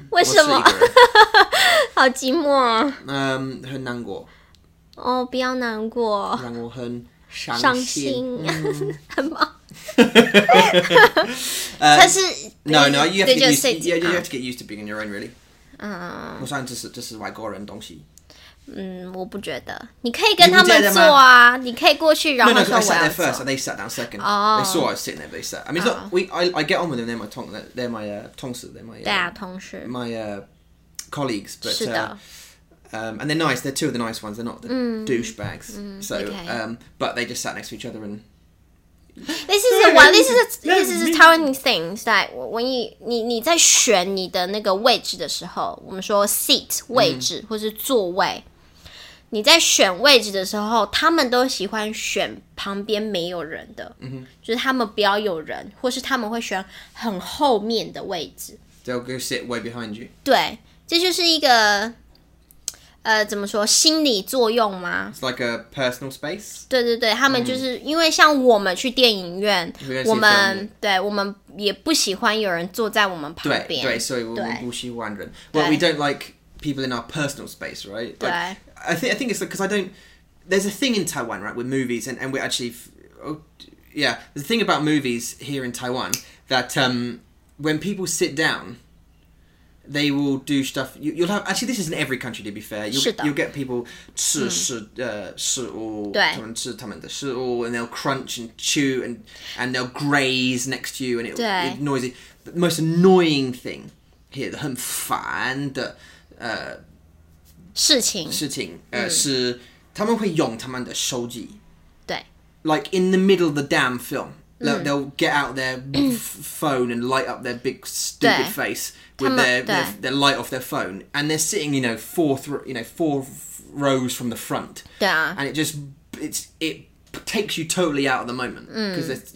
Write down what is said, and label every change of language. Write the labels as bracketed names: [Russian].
[Chinese] 为什么？好寂寞。很难过。哦，不要难过。让我很伤心。很忙。但是。 [English] No, you have to get used to, yeah, you have to get used to being on your own, really. [Chinese] 我算这是外国人东西。我不觉得，你可以跟他们坐啊，你可以过去，然后说我要坐。 [English] No, I sat there first, and they sat down second.、 Oh. They saw I was sitting there, but they sat. I mean, it's、oh. not, I get on with them, they're my colleagues. But, [Chinese] 是的。 [English] And they're nice, they're two of the nice ones, they're not the douchebags. So,、 okay. But they just sat next to each other and... This is a telling thing, that when you [Chinese] 在选你的那个位置的时候，我们说 seat 位置、或是座位，你在选位置的时候，他们都喜欢选旁边没有人的，就是他们不要有人，或是他们会选很后面的位置。 [English] They'll go sit way behind you. [Chinese] 对，这就是一个怎么说心理作用吗 [English] It's like a personal space [Chinese] 对对对他们就是、因为像我们去电影院我们对我们也不喜欢有人坐在我们旁边对, 对所以我们不喜欢人 [English] Well we don't like people in our personal space right like, [Chinese] 对 [English] I think it's because、like, I don't There's a thing in Taiwan right with movies and we actually there's a thing about movies here in Taiwan that when people sit downthey will do stuff, you'll have, actually this isn't every country to be fair, you'll get people [Chinese] 吃食物 [English] and they'll crunch and chew and they'll graze next to you and it's noisy. The most annoying thing here, [Chinese] 很烦的事情是他们会用他们的手机对 [English] like in the middle of the damn film,they'll get out their phone and light up their big stupid face with their light off their phone. And they're sitting, four rows from the front. Yeah. And it just, it's, it takes you totally out of the moment. Because, mm.